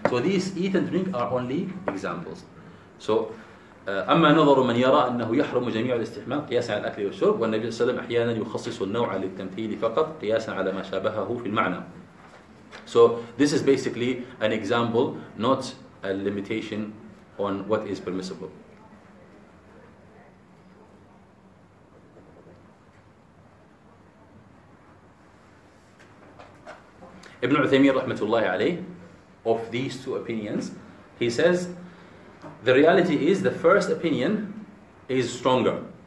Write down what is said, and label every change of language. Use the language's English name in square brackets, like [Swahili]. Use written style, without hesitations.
[English] So these eat and drink are only examples. So, [Arabic] أما نظر من يرى أنه يحرم جميع الاستحمام قياسا على الأكل والشرب والنبي صلى الله عليه وسلم أحيانا يخصص النوع للتمثيل فقط قياسا على ما شابهه في المعنى. [English] So this is basically an example, not a limitation on what is permissible. Ibn Uthaymeen rahmatullahi alayh, of these two opinions, he says, the reality is the first opinion is stronger.